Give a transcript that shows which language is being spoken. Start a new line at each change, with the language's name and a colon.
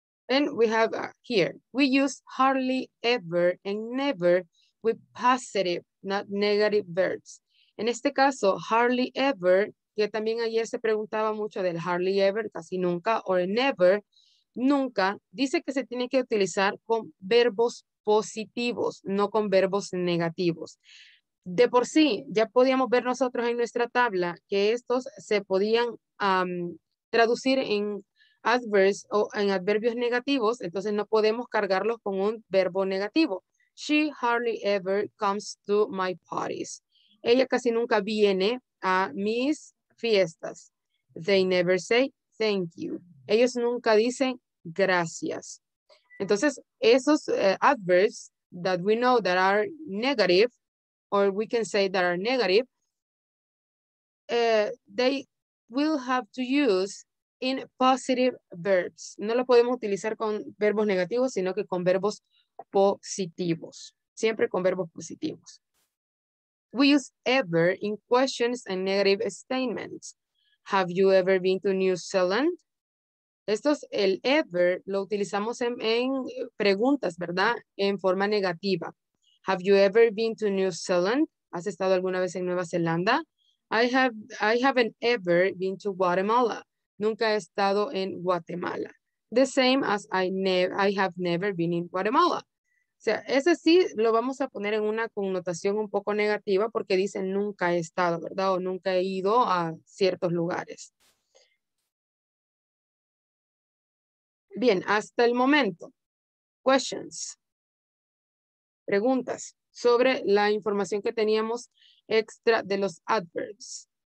English: And we have here, we use hardly, ever, and never with positive, not negative verbs.
Spanish: En este caso, hardly ever, que también ayer se preguntaba mucho del hardly ever, casi nunca, o never, nunca, dice que se tiene que utilizar con verbos positivos, no con verbos negativos. De por sí, ya podíamos ver nosotros en nuestra tabla que estos se podían traducir en adverbs o en adverbios negativos, entonces no podemos cargarlos con un verbo negativo.
English: She hardly ever comes to my parties.
Spanish: Ella casi nunca viene a mis fiestas.
English: They never say thank you.
Spanish: Ellos nunca dicen gracias. Entonces, esos
English: adverbs that we know that are negative, or we can say that are negative, they will have to use in positive verbs.
Spanish: No lo podemos utilizar con verbos negativos, sino que con verbos positivos. Siempre con verbos positivos.
English: We use ever in questions and negative statements. Have you ever been to New Zealand?
Spanish: Esto es el ever, lo utilizamos en preguntas, ¿verdad? En forma negativa.
English: Have you ever been to New Zealand?
Spanish: ¿Has estado alguna vez en Nueva Zelanda?
English: I haven't ever been to Guatemala.
Spanish: Nunca he estado en Guatemala.
English: The same as I have never been in Guatemala.
Spanish: O sea, ese sí lo vamos a poner en una connotación un poco negativa porque dice nunca he estado, ¿verdad? O nunca he ido a ciertos lugares. Bien, hasta el momento. Questions. Preguntas sobre la información que teníamos extra de los adverbs.